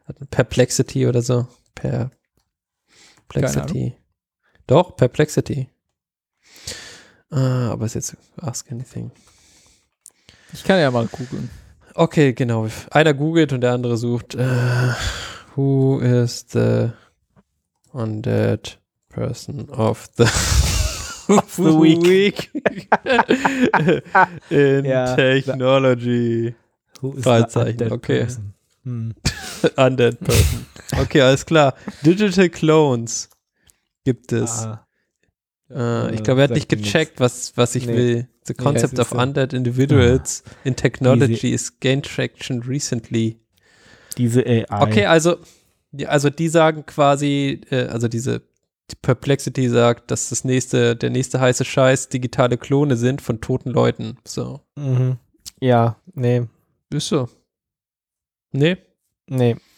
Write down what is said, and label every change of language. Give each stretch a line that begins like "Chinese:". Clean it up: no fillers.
German: Perplexity oder so. Perplexity. Doch, Perplexity. Aber ist jetzt Ask Anything. Ich kann ja mal googeln. Okay, genau. Einer googelt und der andere sucht.
English: Who is the undead person of the, of the week? In technology. Who is the undead person?
German: Undead Person. Okay, alles klar. Digital Clones gibt es. Ich glaube, er hat nicht gecheckt, was ich will.
English: The concept of undead individuals in technology is gained traction recently.
German: Diese AI. Okay, also die sagen quasi, also diese Perplexity sagt, dass der nächste heiße Scheiß digitale Klone sind von toten Leuten. So. Mhm. Ja, nee. Ist so. Nee? Nee.